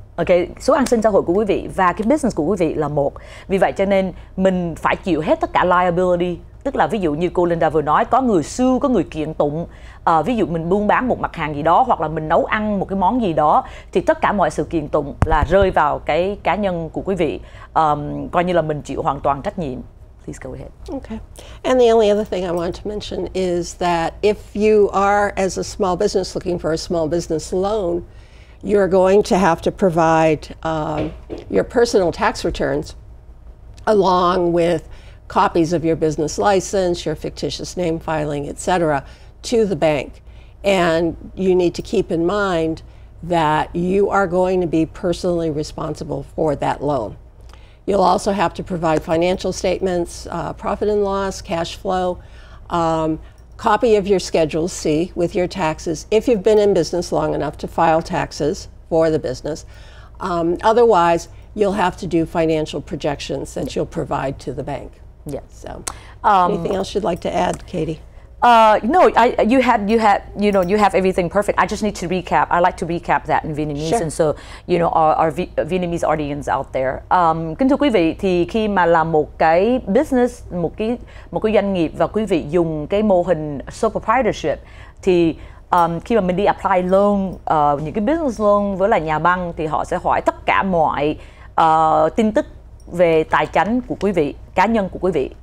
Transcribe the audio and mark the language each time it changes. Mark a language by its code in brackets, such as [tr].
[vi] Ok, số an sinh xã hội của quý vị và cái business của quý vị là một. Vì vậy cho nên mình phải chịu hết tất cả liability. Tức là ví dụ như cô Linda vừa nói, có người sue, có người kiện tụng. Ví dụ mình buôn bán một mặt hàng gì đó hoặc là mình nấu ăn một cái món gì đó, thì tất cả mọi sự kiện tụng là rơi vào cái cá nhân của quý vị. Coi như là mình chịu hoàn toàn trách nhiệm. [en] Please go ahead. Okay. And the only other thing I wanted to mention is that if you are as a small business looking for a small business loan, you're going to have to provide your personal tax returns along with copies of your business license, your fictitious name filing, etc., to the bank. And you need to keep in mind that you are going to be personally responsible for that loan. You'll also have to provide financial statements, profit and loss, cash flow, copy of your Schedule C with your taxes, if you've been in business long enough to file taxes for the business, Otherwise, you'll have to do financial projections that you'll provide to the bank. Yes. So, anything else you'd like to add, Katie? No, you have everything perfect. I just need to recap. I like to recap that in Vietnamese. Sure. And so, you know, our Vietnamese audience out there. [vi] Kính thưa quý vị, thì khi mà làm một cái business, một cái doanh nghiệp và quý vị dùng cái mô hình sole proprietorship, thì khi mà mình đi apply loan, những cái business loan với là nhà băng, thì họ sẽ hỏi tất cả mọi tin tức về tài chánh của quý vị, cá nhân của quý vị.